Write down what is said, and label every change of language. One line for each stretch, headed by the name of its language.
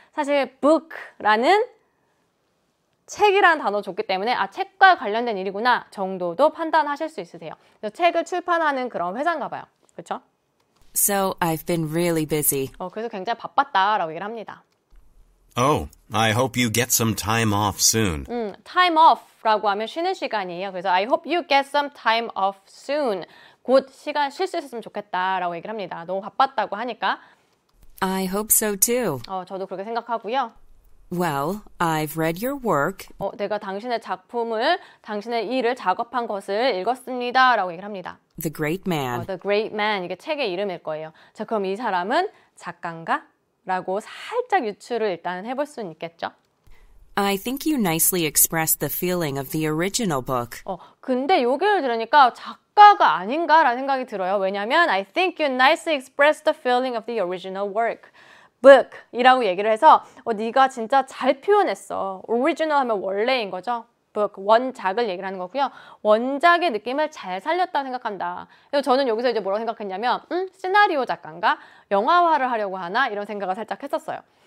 Korean: 사실 book라는 책이라는 단어 줬기 때문에 아 책과 관련된 일이구나 정도도 판단하실 수 있으세요. 그래서 책을 출판하는 그런 회사인가 봐요. 그렇죠?
English: So I've been really busy.
Korean: 그래서 굉장히 바빴다라고 얘기를 합니다.
English: Oh, I hope you get some time off soon.
Korean: Time off라고 하면 쉬는 시간이에요. 그래서
English: I hope you get some time off soon.
Korean: 곧 시간 쉴 수 있었으면 좋겠다라고 얘기를 합니다. 너무 바빴다고 하니까.
English: I hope so too.
Korean: 저도 그렇게 생각하고요.
English: Well, I've read your work.
Korean: 내가 당신의 작품을, 당신의 일을 작업한 것을 읽었습니다. 라고 얘기를 합니다.
English: The great man. The great man.
Korean: 이게 책의 이름일 거예요. 자, 그럼 이 사람은 작가인가? 라고 살짝 유추를 일단 해볼 수는 있겠죠?
English: I think you nicely expressed the feeling of the original book.
Korean: 근데 요기를 들으니까 작가가 아닌가? 라는 생각이 들어요. 왜냐면,
English: I think you nicely expressed the feeling of the original work.
Korean: book 이라고 얘기를 해서 네가 진짜 잘 표현했어. original 하면 원래인 거죠. book 원작을 얘기를 하는 거고요. 원작의 느낌을 잘 살렸다고 생각한다. 그래서 저는 여기서 이제 뭐라고 생각했냐면 시나리오 작가인가? 영화화를 하려고 하나? 이런 생각을 살짝 했었어요.